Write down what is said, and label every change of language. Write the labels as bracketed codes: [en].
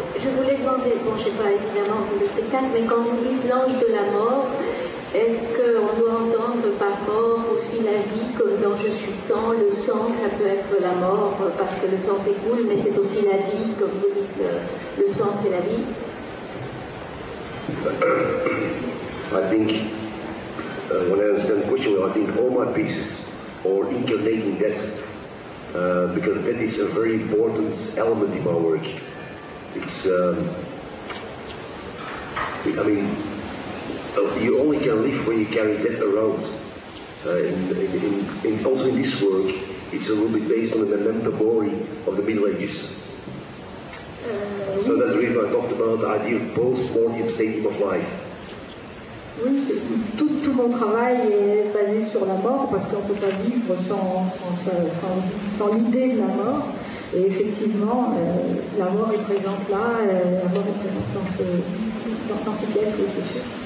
[fr] Je voulais demander, bon, je ne sais pas évidemment pour le spectacle, mais quand vous dites l'ange de la mort, est-ce qu'on doit entendre par mort aussi la vie comme dans Je suis sans, le sang, ça peut être la mort, parce que le sang s'écoule, mais c'est aussi la vie, comme vous dites, le sang c'est la vie. [en] I think... when I understand the question, I think all my pieces are incarnating death, because death is a very important element in my work. It's, you only can live when you carry death around. And also in this work, it's a little bit based on the memento mori of the Middle Ages. So that's the reason I talked about the idea of post-mortem stadium of life. [fr] Oui, tout mon travail est basé sur la mort, parce qu'on ne peut pas vivre sans l'idée de la mort. Et effectivement, la mort est présente là, la mort est présente dans ces pièces, oui, c'est sûr.